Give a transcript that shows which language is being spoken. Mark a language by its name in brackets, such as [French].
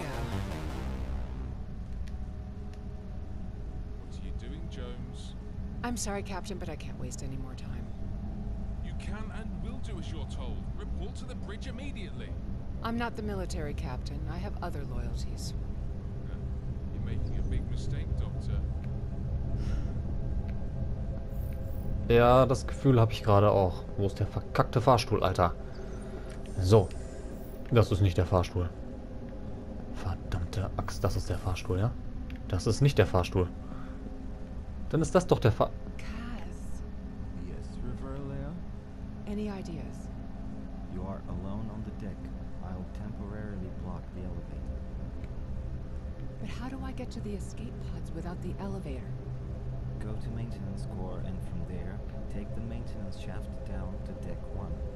[English] What are you doing, Jones? I'm sorry, Captain, but I can't waste any more time. You can and will do as you're told. Report to the bridge immediately. I'm not the military, Captain. I have other loyalties. You're making a big mistake, Doctor. [German] Ja, das Gefühl habe ich gerade auch. Wo ist der verkackte Fahrstuhl, Alter? So. Das ist nicht der Fahrstuhl. Verdammte Axt, das ist der Fahrstuhl, ja? Das ist nicht der Fahrstuhl. Dann ist das doch der Fahr... [English] Kaz. Yes, Riverlea? Any ideas? You are alone on the deck. I'll temporarily block the elevator. But how do I get to the escape pods without the elevator? Go to maintenance core and from there, take the maintenance shaft down to deck 1.